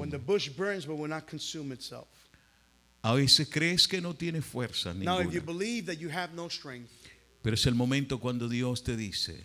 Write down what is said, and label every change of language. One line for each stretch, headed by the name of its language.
English: when the bush burns but will not consume itself.
Spanish: A veces crees que no tiene fuerza ninguna.
English: Now, if you believe that you have no strength,
Spanish: pero es el momento cuando Dios te dice,